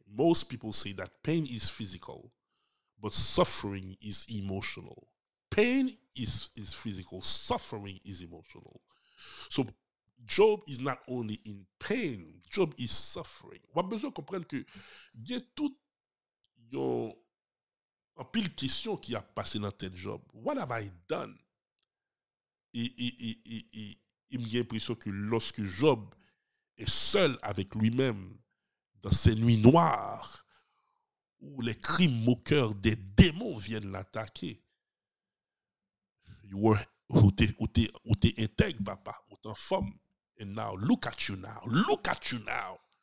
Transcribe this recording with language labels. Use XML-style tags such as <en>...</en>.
<en>Most people say that pain is physical, but suffering is emotional. Pain is physical, suffering is emotional. So Job is not only in pain, Job is suffering.</en> <fr>On a besoin de comprendre que il y a tout un pile de questions qui a passé dans tête Job.</fr> <en>What have I done?</en> <fr>Et il y a l'impression que lorsque Job est seul avec lui-même dans ces nuits noires où les cris moqueurs des démons viennent l'attaquer, où t'es intègre, papa, où t'es en forme.</fr> <en>And now, look at you now, look at you now.</en>